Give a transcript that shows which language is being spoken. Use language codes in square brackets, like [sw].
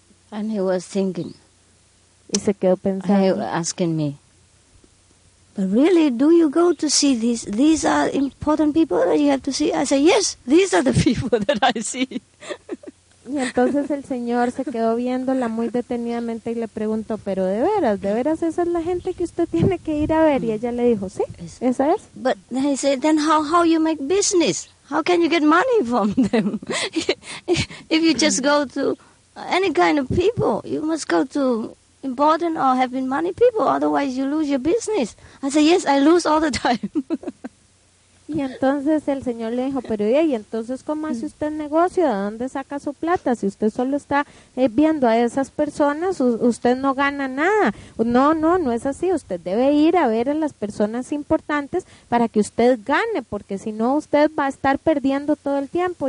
[en] And he was thinking. [es] Y se quedó pensando. [en] He was asking me, but really, do you go to see these? These are important people that you have to see? I said, yes, these are the people that I see. [es] Y entonces el señor se quedó viéndola muy detenidamente y le preguntó, pero de veras, esa es la gente que usted tiene que ir a ver? Y ella le dijo, sí, esa es. [en] But then he said, then how you make business? How can you get money from them? If you just go to any kind of people, you must go to... important or having money people, otherwise you lose your business. I say yes, I lose all the time. [es] Y entonces el señor le dijo, pero y entonces ¿cómo hace usted negocio? ¿De dónde saca su plata? Si usted solo está viendo a esas personas, usted no gana nada. No, no, no es así. Usted debe ir a ver a las personas importantes para que usted gane, porque si no usted va a estar perdiendo todo el tiempo.